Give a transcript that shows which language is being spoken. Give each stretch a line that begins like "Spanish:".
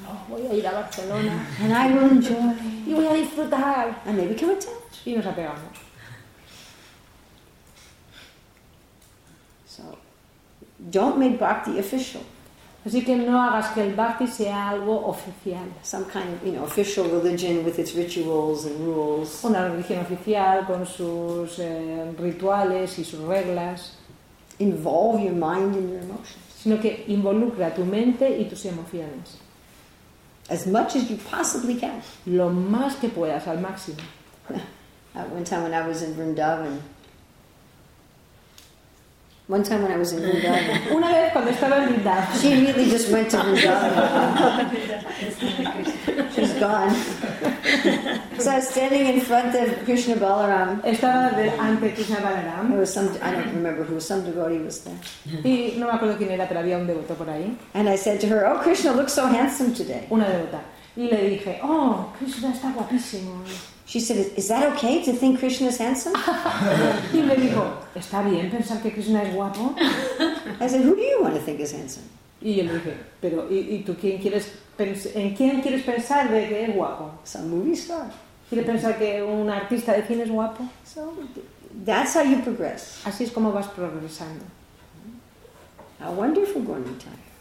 Spanish: Oh, voy a ir a Barcelona.
English: And I will enjoy.
Spanish: Y voy a disfrutar.
English: And they become attached.
Spanish: Y nos apegamos.
English: So, don't make bhakti official.
Spanish: Así que no hagas que el bhakti sea algo oficial.
English: Some kind of, you know, official religion with its rituals and rules.
Spanish: Una religión oficial con sus rituales y sus reglas.
English: Involve your mind and your emotions.
Spanish: Sino que involucra tu mente y tus emociones.
English: As much as you possibly can.
Spanish: Lo más que puedas, al máximo.
English: One time when I was in Vrindavan.
Spanish: Una vez cuando estaba en Vrindavan.
English: She immediately just went to Vrindavan. She's gone. So I was standing in front of Krishna Balaram.
Spanish: Estaba ante Krishna Balaram.
English: There was some, I don't remember who, some devotee was there.
Spanish: Y no me acuerdo quién era, pero había un devoto por ahí.
English: And I said to her, "Oh, Krishna looks so handsome today."
Spanish: Una devota. Y le dije, "Oh, Krishna está guapísimo."
English: She said, "Is that okay to think Krishna is handsome?"
Spanish: Y me dijo, "¿Está bien pensar que Krishna es guapo?"
English: I said, "Who do you want to think is handsome?"
Spanish: Y yo le dije, "Pero ¿y tú quién quieres en quién quieres pensar de que es guapo?"
English: Some movie star.
Spanish: ¿Quieres pensar que un artista de cine es guapo?
English: So, that's how you progress.
Spanish: Así es como vas progresando.
English: How wonderful Gornitai.